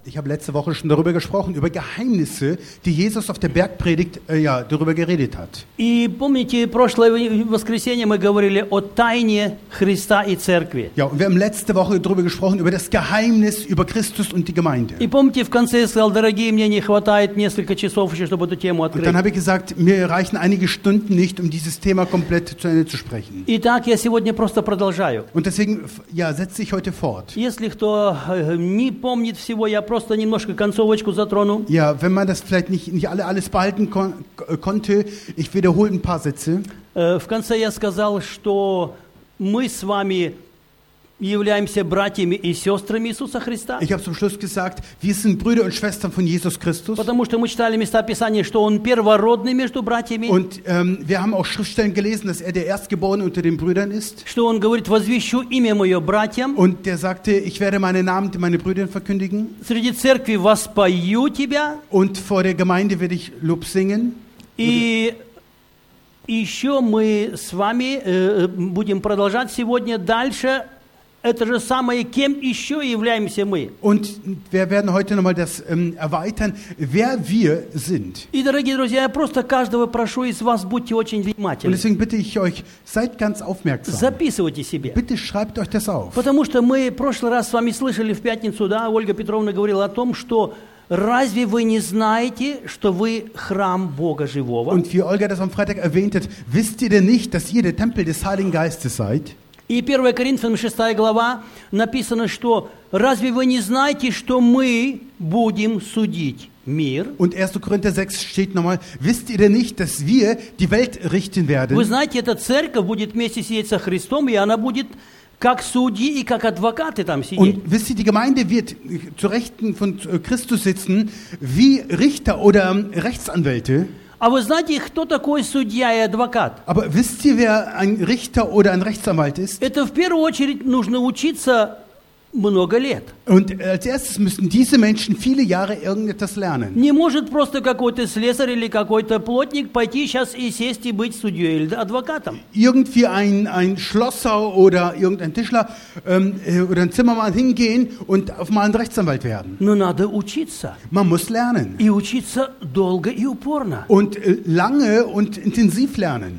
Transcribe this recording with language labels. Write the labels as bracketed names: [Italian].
[German] Ich habe letzte Woche schon darüber gesprochen, über Geheimnisse, die Jesus auf der Bergpredigt ja, darüber geredet hat. [Russian] И помните, прошлое воскресенье мы говорили о тайне Христа и церкви. [German] Ja, und wir haben letzte Woche darüber gesprochen, über das Geheimnis über Christus und die Gemeinde. [Russian] И помните, в конце я сказал, дорогие, мне не хватает несколько часов еще, чтобы эту тему открыть. [German] Und dann habe ich gesagt, mir reichen einige Stunden nicht, um dieses Thema komplett zu Ende zu sprechen. [Russian] Итак, я сегодня просто продолжаю. [German] Und deswegen ja, setze ich heute fort. [Russian] Если кто не помнит всего, я просто немножко концовочку затрону. [German] Ja, wenn man das vielleicht nicht alles behalten konnte, ich wiederhole ein paar Sätze. [Russian] В конце я сказал, что мы с вами являемся братьями и сестрами Иисуса Христа. [German] Ich habe zum Schluss gesagt, wir sind Brüder und Schwestern von Jesus Christus. [Russian] Потому что мы читали места Писания, что Он первородный между братьями. [German] Und wir haben auch Schriftstellen gelesen, dass er der Erstgeborene unter den Brüdern ist. [Russian] Что Он говорит, возвещу имя мое братьям. [German] Und der sagte, ich werde meinen Namen meinen Brüdern verkündigen. [Russian] Среди церкви воспою тебя. [German] Und vor der Gemeinde werde ich Lob singen. [Russian] И еще мы с вами будем продолжать сегодня дальше. Это же самое, кем еще являемся мы. [German] Und wir werden heute noch mal das erweitern, wer wir sind. [Russian] И, дорогие друзья, я просто каждого прошу из вас, будьте очень внимательны. [German] Und deswegen bitte ich euch, seid ganz aufmerksam. [Russian] Записывайте себе. [German] Bitte schreibt euch das auf. [Russian] Потому что мы в прошлый раз с вами слышали в пятницу, да, Ольга Петровна говорила о том, что разве вы не знаете, что вы храм Бога живого? [German] Und wie Olga das am Freitag erwähnt hat, wisst ihr denn nicht, dass ihr der Tempel des Heiligen Geistes seid? [Russian] И 1 Коринфянам 6 глава написано, что разве вы не знаете, что мы будем судить мир? [German] Und 1. Korinther 6 steht nochmal, wisst ihr denn nicht, dass wir die Welt richten werden? [Russian] Вы знаете, эта церковь будет вместе сидеть со Христом, и она будет как судьи и как адвокаты там сидеть. [German] Und wisst ihr, die Gemeinde wird zu Rechten von Christus sitzen, wie Richter oder Rechtsanwälte. [Russian] А вы знаете, кто такой судья и адвокат? [German] Aber wisst ihr, wer ein Richter oder ein Rechtsanwalt ist? [Russian] Это в первую очередь нужно учиться много лет. [German] Und als erstes müssen diese Menschen viele Jahre irgendetwas lernen. [Russian] Не может просто какой-то слесарь или какой-то плотник пойти сейчас и сесть и быть судьей или адвокатом. [German] Irgendwie ein Schlosser oder irgendein Tischler oder ein Zimmermann hingehen und auf mal ein Rechtsanwalt werden. [Russian] Но надо учиться. [German] Man muss lernen. [Russian] И учиться долго и упорно. [German] Und lange und intensiv lernen.